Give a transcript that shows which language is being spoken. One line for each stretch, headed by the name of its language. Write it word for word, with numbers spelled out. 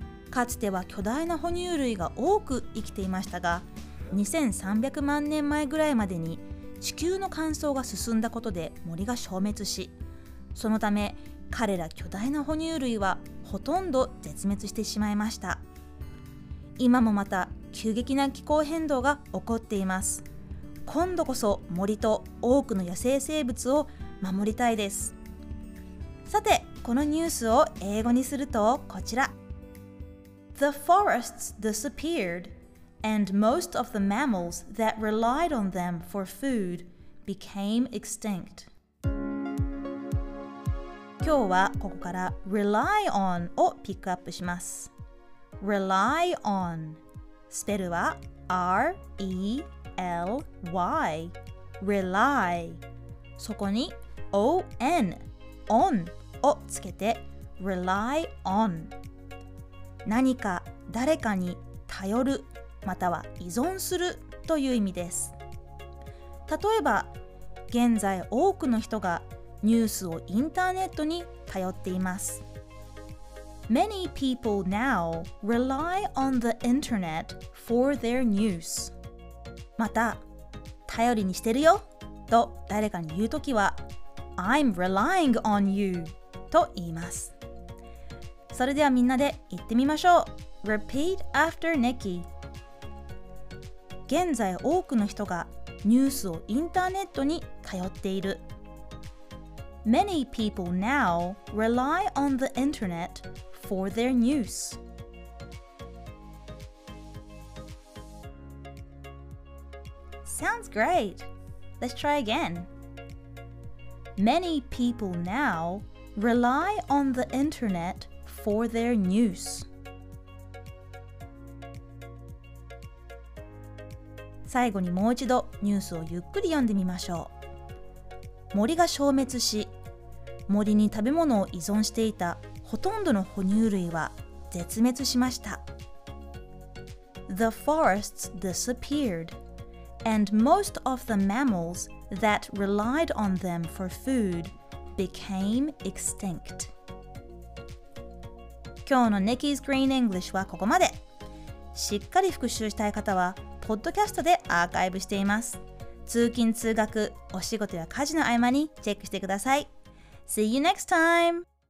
Japanese: かつては巨大な哺乳類が多く生きていましたが、にせんさんびゃくまんねんまえぐらいまでに地球の乾燥が進んだことで森が消滅し、そのため彼ら巨大な哺乳類はほとんど絶滅してしまいました。今もまた急激な気候変動が起こっています。今度こそ森と多くの野生生物を守りたいです。さて、このニュースを英語にするとこちら。
English: The forests disappeared and most of the mammals that relied on them for food became extinct。
Japanese: 今日はここから rely on をピックアップします。 rely on スペルは アール イー エル ワイ rely、 そこに on on をつけて rely on、 何か誰かに頼るまたは依存するという意味です。例えば現在多くの人がニュースをインターネットに頼っています。
English: Many people now rely on the internet for their news。
Japanese: また頼りにしてるよと誰かに言うときは
English: I'm relying on you
Japanese: と言います。それではみんなで言ってみましょう。
English: Repeat after Nikki。
Japanese: 現在多くの人がニュースをインターネットに頼っている。
English: Many people now rely on the internet for their news。 Sounds great! Let's try again. Many people now rely on the internet for their news。
Japanese: 最後にもう一度ニュースをゆっくり読んでみましょう。森が消滅し、森に食べ物を依存していたほとんどの哺乳類は絶滅しました。
English: The forests disappeared, and most of the mammals that relied on them for food became extinct。
Japanese: 今日の Nikki's Green English はここまで。しっかり復習したい方はポッドキャストでアーカイブしています。通勤通学、お仕事や家事の合間にチェックしてください。
English: See you next time!